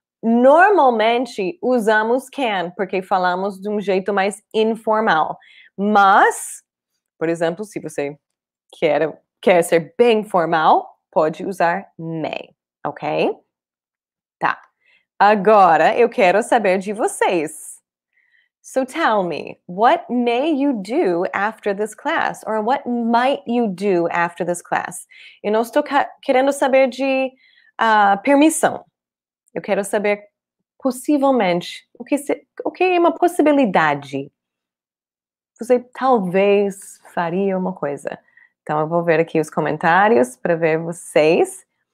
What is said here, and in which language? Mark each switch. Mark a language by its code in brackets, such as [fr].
[pt] Normalmente, usamos can porque falamos de um jeito mais informal. Mas, por exemplo, se você quer ser bem formal, pode usar may, ok? Tá. Agora, eu quero saber de vocês. [en] So tell me, what may you do after this class? Or what might you do after this class? [pt] Eu não estou querendo saber de permissão. Eu quero saber, possivelmente, o que é uma possibilidade. Você talvez faria uma coisa. Então, eu vou ver aqui os comentários para ver vocês.